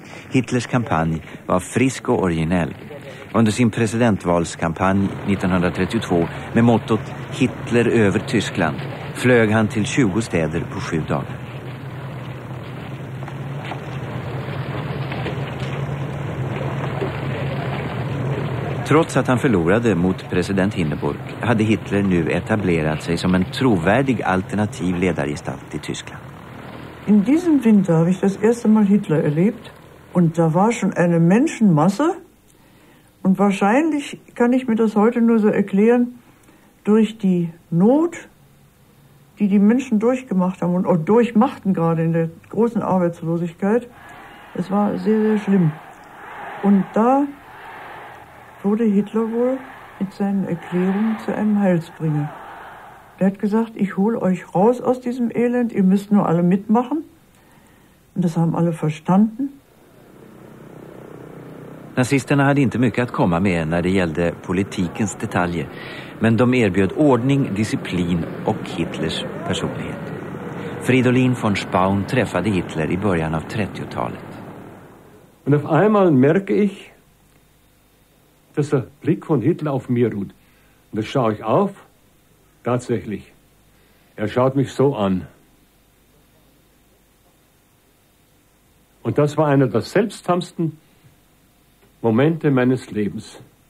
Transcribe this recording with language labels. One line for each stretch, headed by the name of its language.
Swedish: Hitlers kampanj var frisk och originell. Under sin presidentvalskampanj 1932 med mottot Hitler över Tyskland flög han till 20 städer på 7 dagar. Trots att han förlorade mot president Hindenburg hade Hitler nu etablerat sig som en trovärdig alternativ ledargestalt i Tyskland.
German: In diesem Winter habe ich das erste Mal Hitler erlebt und da war schon eine Menschenmasse und wahrscheinlich kann ich mir das heute nur so erklären durch die Not, die die Menschen durchgemacht haben und auch durchmachten gerade in der großen Arbeitslosigkeit. Es war sehr, sehr schlimm. Und da wurde Hitler wohl mit seinen Erklärungen zu einem Heilsbringer. Er hat gesagt, ich hole euch raus aus diesem Elend, ihr müsst nur alle mitmachen. Und das haben alle verstanden.
Swedish: Nazisterna hade inte mycket att komma med när det gällde politikens detaljer, men de erbjöd ordning, disciplin och Hitlers personlighet. Fridolin von Spaun träffade Hitler i början av 30-talet.
German: Und auf einmal merke ich, dass der Blick von Hitler auf mir ruht. Und das schaue ich auf. Tatsächlich. Er schaut mich so an. Und das war einer der seltsamsten Momente meines Lebens.